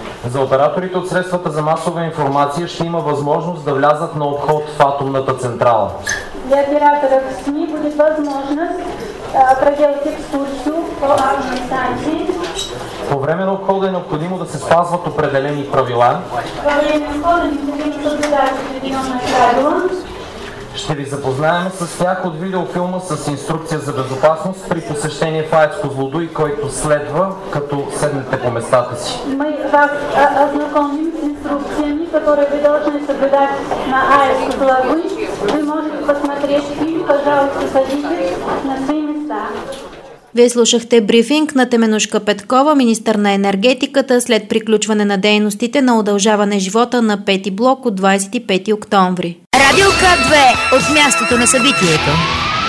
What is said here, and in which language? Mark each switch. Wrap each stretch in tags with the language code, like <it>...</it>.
<bg>За операторите от средствата за масова информация ще има възможност да влязат на обход в атомната централа.</bg> <ru>Для операторов СМИ будет возможность проделать экскурсию по атомной станции.</ru> <bg>По време на обхода е необходимо да се спазват определени правила. По време на обхода е необходимо да се спазват определени правила. Ще ви запознаем с тях от видеофилма с инструкция за безопасност при посещение в АЕЦ Козлодуй, който следва, като седнете по местата си.</bg> <ru>Мы вас ознакомим с инструкциями, которые вы должны соблюдать на АЕЦ Козлодуй. Вы можете посмотреть фильм, пожалуйста, садитесь на свои места.</ru> <bg>Вие слушахте брифинг на Теменужка Петкова, министър на енергетиката, след приключване на дейностите на удължаване живота на пети блок от 25 октомври. Радио К2 от мястото на събитието.</bg>